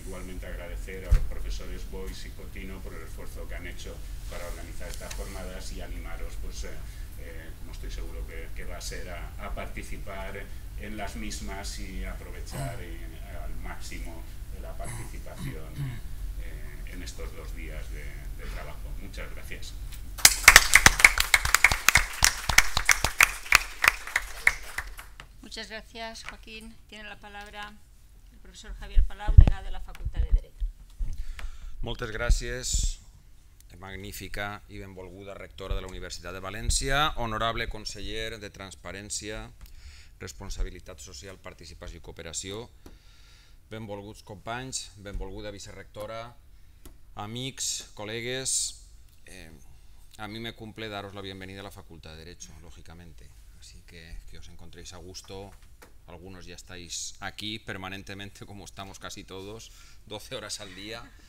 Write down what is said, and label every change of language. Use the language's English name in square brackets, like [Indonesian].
[Spanish] Igualmente agradecer a los profesores Bois y Cotino por el esfuerzo que han hecho para organizar estas jornadas y animaros, pues, como estoy seguro que va a ser, a participar en las mismas y aprovechar al máximo la participación en estos dos días de trabajo. Muchas gracias. Muchas gracias, Joaquín. Tiene la palabra el profesor Javier Palau, degà de la Facultad de Derecho. [Catalan] Moltes gràcies, magnífica i benvolguda rectora de la Universitat de València, honorable conseller de Transparència, Responsabilitat Social, Participació i Cooperació, benvolguts companys, benvolguda vicerrectora, amics, col·legues, [Spanish] a mi me cumple daros la bienvenida a la Facultad de Derecho, lógicamente. Así que os encontréis a gusto, algunos ya estáis aquí permanentemente, como estamos casi todos, 12 horas al día.